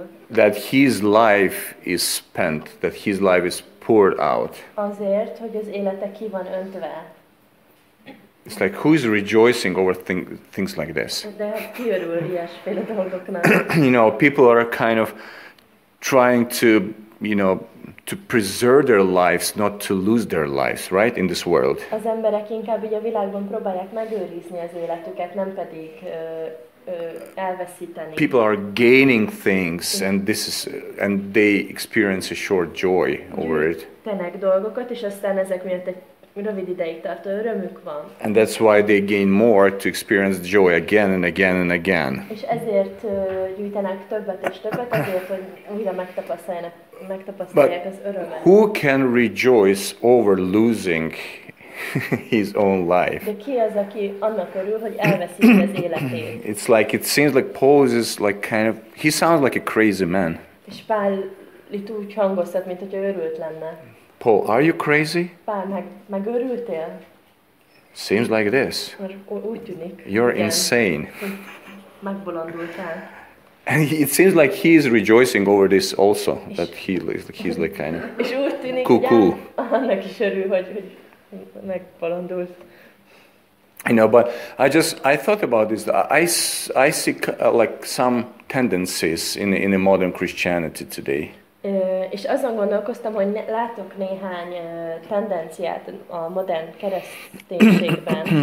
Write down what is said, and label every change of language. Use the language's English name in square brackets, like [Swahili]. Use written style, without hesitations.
[English] That his life is spent, that his life is poured out. [Hungarian] Azért, hogy az élete ki van öntve. [English] It's like, who is rejoicing over things like this? [Hungarian] De ki örül ilyesféle dolgoknak? [English] You know, people are kind of trying to, you know, to preserve their lives, not to lose their lives, right, in this world. [Hungarian] Az emberek inkább így a világban próbálják megőrizni az életüket, nem pedig elveszíteni. [English] People are gaining things, and this is, and they experience a short joy over it. [Hungarian] Tenek dolgokat, és aztán ezek miatt egy rövid ideig tartó örömük van. [English] And that's why they gain more to experience joy again and again and again. [Hungarian] És ezért gyűjtenek többet és többet, azért, hogy újra megtapasztalják [English] but [Hungarian] az örömet. [English] Who can rejoice over losing his own life? [Hungarian] De ki az, aki annak örül, hogy elveszíti az életét? [English] It's like, it seems like Paul is like kind of, he sounds like a crazy man. [Hungarian] És Pál itt úgy hangozhat, mint hogy örült lenne. [English] Paul, are you crazy? [Hungarian] Megörültél? [English] Seems like this. You're insane. [Hungarian] Megbolondultál. [English] And it seems like he is rejoicing over this also, that he's like kind of cuckoo. [Hungarian] Annak is örül, hogy megbolondult. [English] I know, but I thought about this. I see like some tendencies in the modern Christianity today. [Hungarian] És azon gondolkoztam, hogy látok néhány tendenciát a modern kereszténységben.